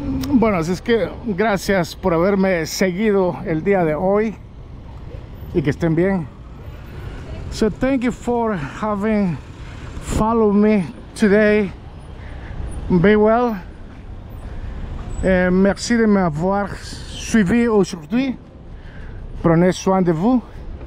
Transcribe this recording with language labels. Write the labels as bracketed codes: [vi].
[es] Bueno, así es que gracias por haberme seguido el día de hoy y que estén bien. [en] So thank you for having followed me today. Be well. [fr] Merci de m'avoir suivi aujourd'hui. Prenez soin de vous.